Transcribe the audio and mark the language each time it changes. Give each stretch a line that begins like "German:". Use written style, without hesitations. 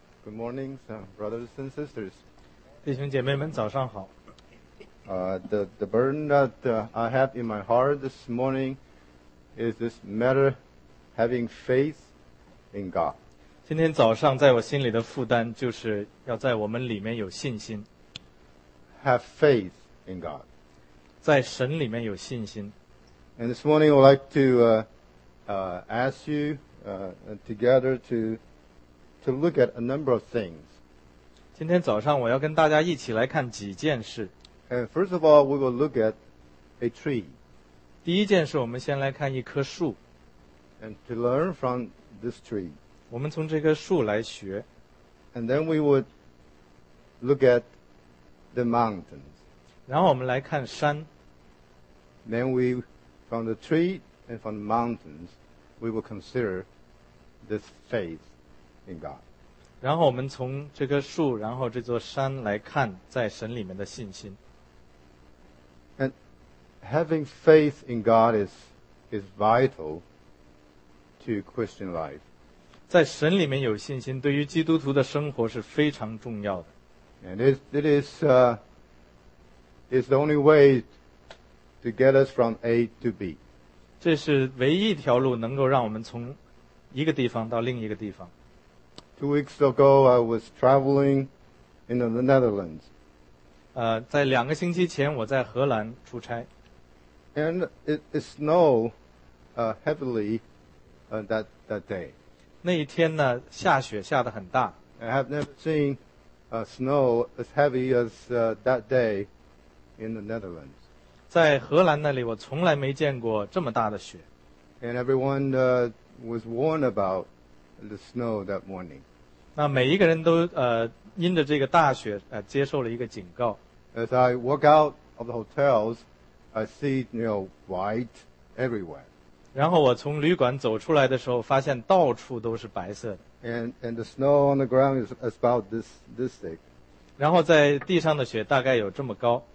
English: morning, brothers and sisters.
Chinese: 弟兄姐妹们，早上好。
English: The burden that I have in my heart this morning is this matter having faith in God.
Chinese: 今天早上在我心里的负担就是要在我们里面有信心。
English: Have faith in God.
Chinese: 在神里面有信心。
English: And this morning, I would like to ask you together to look at a number of things.
Chinese: 今天早上我要跟大家一起来看几件事。
English: And first of all, we will look at a tree.
Chinese: 第一件事，我们先来看一棵树。
English: And to learn from this tree.
Chinese: 我们从这棵树来学。
English: And then we would look at the mountains.
Chinese: 然后我们来看山。
English: Then we, from the tree and from the mountains, we will consider this faith. In God.
Chinese: 然后我们从这棵树，然后这座山来看在神里面的信心。
English: And having faith in God is vital to Christian life.
Chinese: 在神里面有信心，对于基督徒的生活是非常重要的。
English: And it is the only way to get us from A to B.
Chinese: 这是唯一一条路，能够让我们从一个地方到另一个地方。
English: 2 weeks ago, I was traveling in the Netherlands.
Chinese: 在两个星期前，我在荷兰出差。
English: And it snowed heavily that day.
Chinese: 那一天呢，下雪下得很大。
English: I have never seen snow as heavy as that day in the Netherlands.
Chinese: 在荷兰那里，我从来没见过这么大的雪。
English: And everyone was warned about the snow that morning.
Chinese: 那每一个人都因着这个大雪接受了一个警告。
English: As I walk out of the hotels, I see, you know, white everywhere.
Chinese: 然后我从旅馆走出来的时候，发现到处都是白色的。
English: And the snow on the ground is about this thick.
Chinese: 然后在地上的雪大概有这么高。